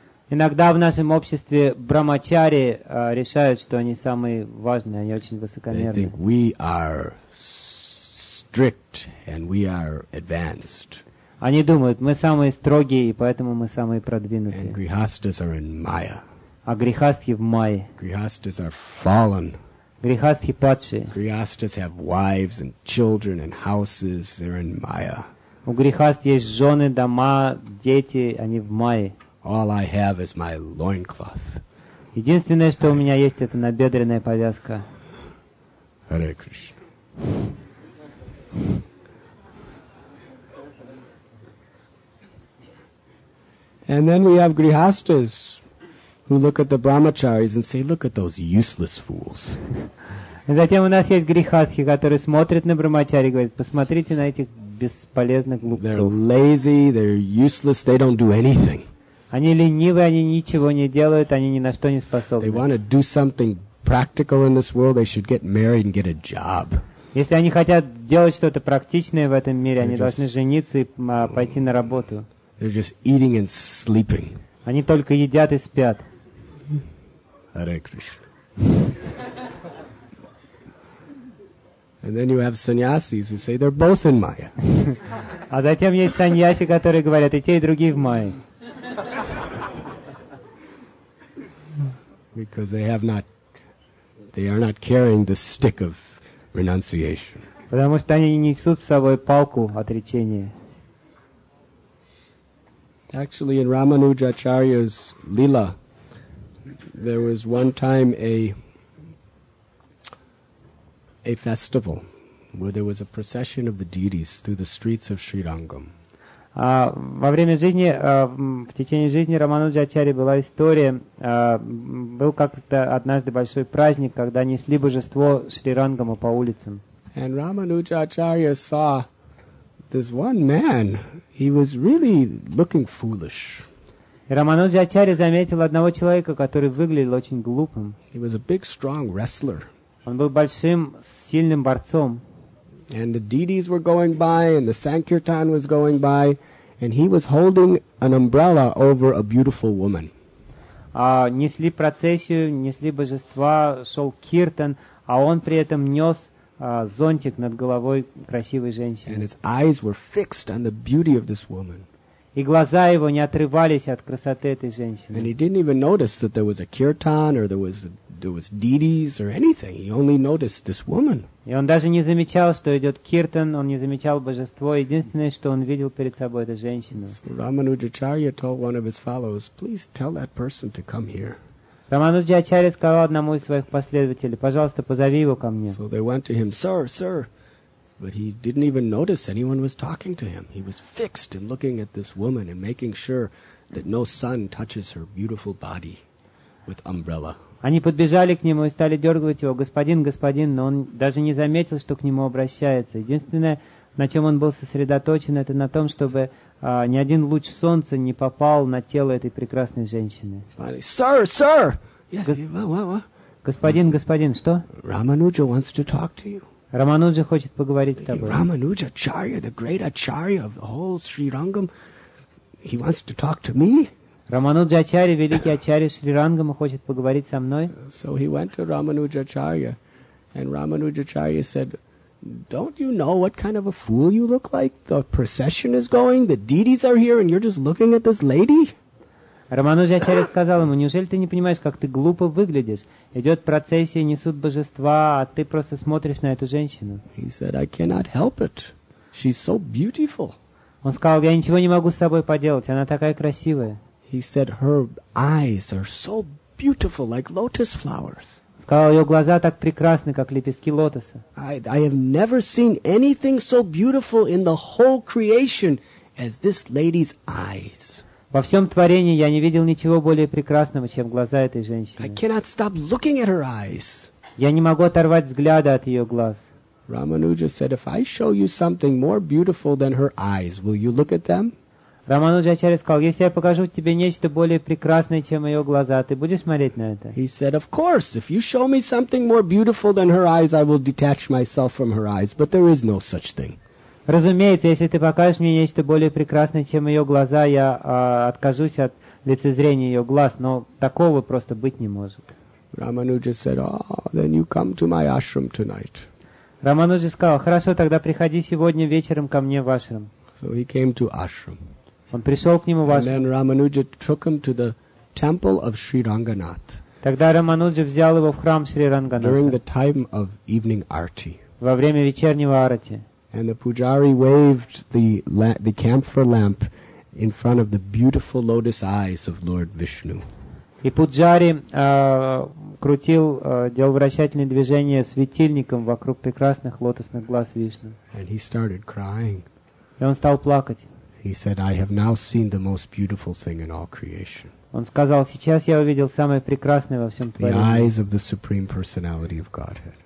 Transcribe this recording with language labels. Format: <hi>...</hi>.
<ru>Иногда в нашем обществе брахмачари решают, что они самые важные, они очень высокомерные.</ru> <en>They think we are strict and we are advanced.</en> <ru>Они думают, мы самые строгие, и поэтому мы самые продвинутые.</ru> <en>And grihasthas are in maya.</en> <ru>А грехастхи в майе.</ru> <en>Grihasthas are fallen.</en> <ru>Грехастхи падшие.</ru> <en>Grihasthas have wives and children and houses, they're in maya.</en> <ru>У грехаст есть жены, дома, дети, они в майе.</ru> <en>All I have is my loincloth.</en> <ru>Единственное, что у меня есть, это набедренная повязка.</ru> <en>Hare Krishna. And then we have grihasthas who look at the brahmacharis and say, look at those useless fools.</en> <ru>И затем у нас есть грихасхи, которые смотрят на брахмачари и говорят, посмотрите на этих бесполезных глупцов.</ru> <en>They're lazy, they're useless, they don't do anything.</en> <ru>Они ленивы, они ничего не делают, они ни на что не способны.</ru> <en>They want to do something practical in this world, they should get married and get a job.</en> <ru>Если они хотят делать что-то практичное в этом мире, они должны жениться и пойти на работу.</ru> <en>They're just eating and sleeping.</en> <ru>Они только едят и спят.</ru> <en>Hare Krishna. And then you have sannyasis who say they're both in Maya.</en> <ru>А затем есть саньяси, которые говорят, и те, и другие в Майе.</ru> <en>Because they are not carrying the stick of renunciation.</en> <ru>Потому что они несут с собой палку отречения.</ru> <en>Actually, in Ramanujacharya's Lila, there was one time a festival where there was a procession of the deities through the streets of Sri Rangam.</en> <ru>Во время жизни, в течение жизни Рамануджачарьи была история, был как-то однажды большой праздник, когда несли божество Шри Рангама по улицам.</ru> <en>And Ramanujacharya saw this one man, he was really looking foolish.</en> <ru>Рамануджачарья заметил одного человека, который выглядел очень глупым.</ru> <en>He was a big, strong wrestler.</en> <ru>Он был большим, сильным борцом.</ru> <en>And the deities were going by, and the Sankirtan was going by, and he was holding an umbrella over a beautiful woman.</en> <ru>Несли процессию, несли божества, шел киртан, а он при этом нес зонтик над головой красивой женщины.</ru> <en>And his eyes were fixed on the beauty of this woman.</en> <ru>И глаза его не отрывались от красоты этой женщины.</ru> <en>And he didn't even notice that there was a kirtan or there was deities or anything. He only noticed this woman.</en> <ru>И он даже не замечал, что идет киртан, он не замечал божество. Единственное, что он видел перед собой, это женщину.</ru> <en>So Рамануджачарья told one of his followers, please tell that person to come here.</en> <ru>Рамануджачарья сказал одному из своих последователей, пожалуйста, позови его ко мне.</ru> <en>So they went to him, sir, sir. But he didn't even notice anyone was talking to him. He was fixed in looking at this woman and making sure that no sun touches her beautiful body with umbrella.</en> <ru>Они подбежали к нему и стали дергать его. Господин, господин, но он даже не заметил, что к нему обращается. Единственное, на чем он был сосредоточен, это на том, чтобы ни один луч солнца не попал на тело этой прекрасной женщины.</ru> <en>Finally, sir, sir! Yes.</en> <ru>Господин, господин, что?</ru> <en>Рамануджа wants to talk to you.</en> <ru>Рамануджа хочет поговорить с тобой.</ru> <en>Рамануджа Ачарья, the great Ачарья of the whole Sri Rangam, he wants to talk to me?</en> <ru>Рамануджа Ачарья, великий Ачарья Шри Рангама, хочет поговорить со мной.</ru> <en>So he went to Рамануджа Ачарья, and Рамануджа Ачарья said, don't you know what kind of a fool you look like? The procession is going, the deities are here, and you're just looking at this lady?</en> <ru>Рамануджа Ачарья сказал ему, неужели ты не понимаешь, как ты глупо выглядишь? Идет процессия, несут божества, а ты просто смотришь на эту женщину.</ru> <en>He said, I cannot help it. She's so beautiful.</en> <ru>Он сказал, я ничего не могу с собой поделать, она такая красивая.</ru> <en>He said, her eyes are so beautiful, like lotus flowers.</en> <ru>Он сказал, ее глаза так прекрасны, как лепестки лотоса.</ru> <en>I have never seen anything so beautiful in the whole creation as this lady's eyes.</en> <ru>Во всем творении я не видел ничего более прекрасного, чем глаза этой женщины.</ru> <en>I cannot stop looking at her eyes.</en> <ru>Я не могу оторвать взгляда от ее глаз.</ru> <en>Рамануджа said, if I show you something more beautiful than her eyes, will you look at them?</en> <ru>Рамануджа Ачарья сказал, если я покажу тебе нечто более прекрасное, чем ее глаза, ты будешь смотреть на это?</ru> <en>He said, of course, if you show me something more beautiful than her eyes, I will detach myself from her eyes, but there is no such thing.</en> <ru>Разумеется, если ты покажешь мне нечто более прекрасное, чем ее глаза, я откажусь от лицезрения ее глаз, но такого просто быть не может.</ru> <en>Рамануджа said, then you come to my ashram tonight.</en> <ru>Рамануджа сказал, хорошо, тогда приходи сегодня вечером ко мне в ашрам.</ru> <en>So he came to ashram.</en> <ru>Он пришел к нему в ашрам.</ru> <en>And then Рамануджа took him to the temple of Sri Ranganath.</en> <ru>Тогда Рамануджа взял его в храм Шри Ранганатха.</ru> <en>During the time of evening arti.</en> <ru>Во время вечернего арати.</ru> <en>And the pujari waved the camphor lamp in front of the beautiful lotus eyes of Lord Vishnu.</en> <ru>И пуджари крутил, делал вращательные движения светильником вокруг прекрасных лотосных глаз Вишну.</ru> <en>And he started crying.</en> <ru>И он стал плакать.</ru> <en>He said, "I have now seen the most beautiful thing in all creation."</en> <ru>Он сказал, сейчас я увидел самое прекрасное во всем творении.</ru> <en>The eyes of the supreme personality of Godhead.</en>